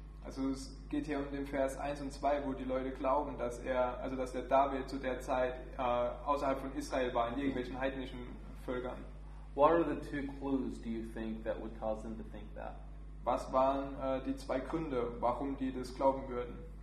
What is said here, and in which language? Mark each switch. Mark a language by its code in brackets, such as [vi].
[de] Also es geht hier um den Vers 1 und 2, wo die Leute glauben, dass er, also dass der David zu der Zeit außerhalb von Israel war, in irgendwelchen heidnischen Völkern. [en] What are the two clues do you think that would cause them to think that? [de] Was waren die zwei Gründe, warum die das glauben würden?